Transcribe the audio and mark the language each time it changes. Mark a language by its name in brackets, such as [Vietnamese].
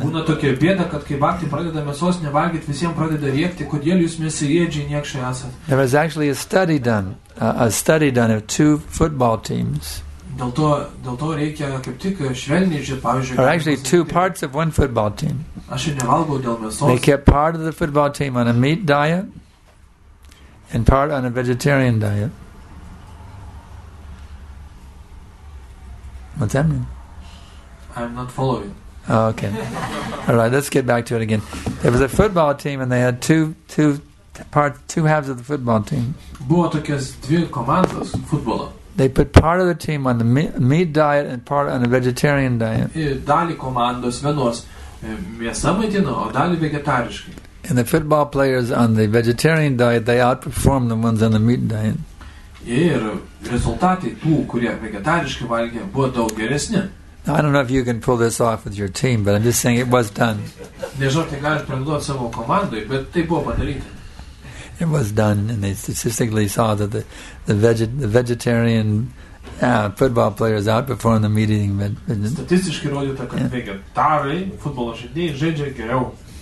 [Lithuanian] Būna tokia bėda, kad kai bakti pradeda mėsos nevalgyti, visiems pradeda rėkti, kodėl jūs mėsėdžiai niekšai esat. [English] There was actually a study done of two football teams. [Lithuanian] Dėl to reikia kaip tik švelniai žiūrėti, pavyzdžiui. [English] Or actually two parts of one football team. [Lithuanian] Aš nevalgau dėl mėsos. [English] They kept part of the football team on a meat diet. In part on a vegetarian diet. What's that mean? I'm not following. Oh, okay. All right, let's get back to it again. There was a football team, and they had two halves of the football team. [Lithuanian] Buvo tokios dvi komandos futbolo. [English] They put part of the team on the meat diet and part on a vegetarian diet. [Lithuanian] Dalį komandos vienos mėsą maitino, o dalį vegetariškai. [English] And the football players on the vegetarian diet, they outperform the ones on the meat diet. [Lithuanian] Ir rezultatai tų, kurie vegetariškai valgė, buvo daug geresni. [English] Now, I don't know if you can pull this off with your team, but I'm just saying it was done. [Lithuanian] Nežinau, tai galite pranaudoti savo komandai, bet tai buvo padaryta. [English] It was done, and they statistically saw that the vegetarian football players outperform the meat eating. [Lithuanian] Statistiškai rodyta, kad vegetarai, futbolo žaidėjai, žaidžia geriau.